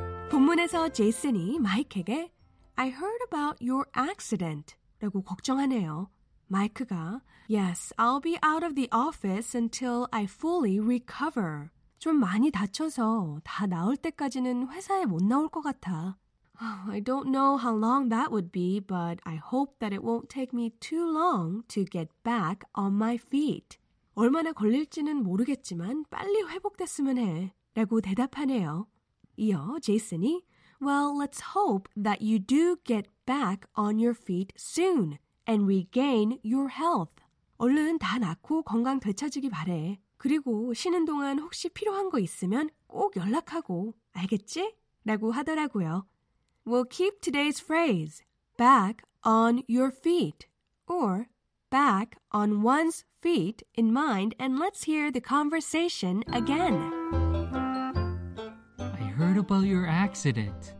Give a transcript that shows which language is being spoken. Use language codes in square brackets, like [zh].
[ko] 본문에서 제이슨이 마이크에게 [en] I heard about your accident [ko] 라고 걱정하네요. 마이크가 [en] Yes, I'll be out of the office until I fully recover. [ko] 좀 많이 다쳐서 다 나을 때까지는 회사에 못 나올 것 같아. [en] I don't know how long that would be, but I hope that it won't take me too long to get back on my feet. [ko] 얼마나 걸릴지는 모르겠지만 빨리 회복됐으면 해 라고 대답하네요. 이어 제이슨이 [en] Well, let's hope that you do get back on your feet soon and regain your health. [ko] 얼른 다 낫고 건강 되찾으기 바래. 그리고 쉬는 동안 혹시 필요한 거 있으면 꼭 연락하고, 알겠지? 라고 하더라고요. [en] We'll keep today's phrase, back on your feet, or back on one's feet in mind, and let's hear the conversation again. I heard about your accident.